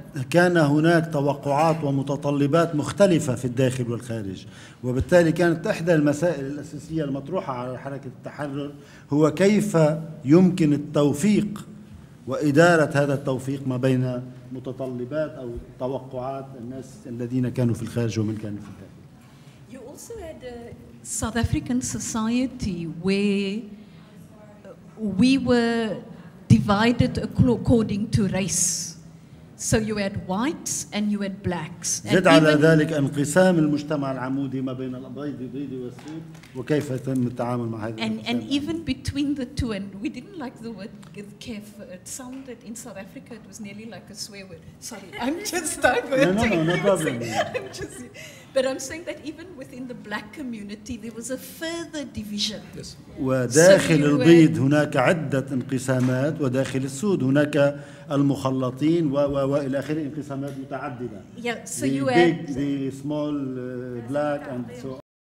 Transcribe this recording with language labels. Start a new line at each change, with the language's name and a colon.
Arabic: كان هناك توقعات ومتطلبات مختلفة في الداخل والخارج، وبالتالي كانت إحدى المسائل الأساسية المطروحة على حركة التحرر هو كيف يمكن التوفيق وإدارة هذا التوفيق ما بين متطلبات أو توقعات الناس الذين كانوا في الخارج ومن كانوا في الداخل.
English: You also had a South African society where we were divided according to race. So you had whites and you had blacks.
Arabic: زد على ذلك انقسام المجتمع العمودي ما بين الأبيض والأبيض والسود وكيف تم التعامل مع هذا.
English: And even between the two, and we didn't like the word kef. It sounded in South Africa it was nearly like a swear word. Sorry, I'm just diverting. No problem. But I'm saying that even within the black community there was a further division. Yes.
Arabic: وداخل البيض هناك عدة انقسامات، وداخل السود هناك المخلطين وإلى آخره انقسامات متعددة.
English: Yeah, so you had the small black and so on.